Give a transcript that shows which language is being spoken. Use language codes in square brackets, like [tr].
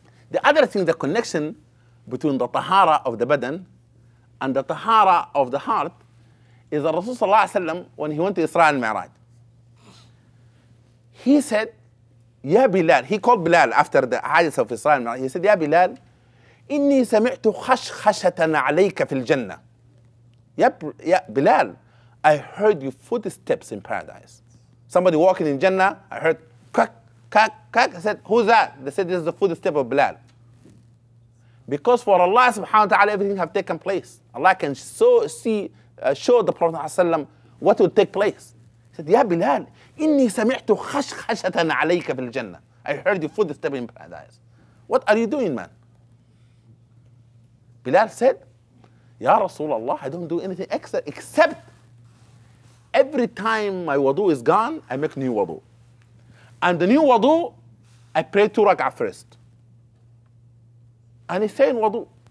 [en] The other thing, the connection between the tahara of the badan and the tahara of the heart is that Rasul Sallallahu Alaihi Wasallam, when he went to Isra al-Mi'raj, he said, [ar] يا بلال [en] he called Bilal after the hadith of Isra al-Mi'raj. [ar] He said, يا بلال إني سمعت خشخشة عليك في الجنة. يا بلال, [en] I heard your footsteps in paradise. Somebody walking in Jannah, I heard crack, crack, crack. I said, who's that? They said, this is the footstep of Bilal. Because for Allah subhanahu wa ta'ala, everything have taken place. Allah can so see, show the Prophet وسلم, what will take place. [ar] He said, يا بلال إني سمعت خشخشة عليك في الجنة. [en] I heard your footstep in paradise. What are you doing, man? Bilal said, [ar] يا رسول الله, [en] I don't do anything extra except every time my wudu is gone, I make new wudu. And the new wudu, I pray 2 rak'ah first. And he's saying wudu.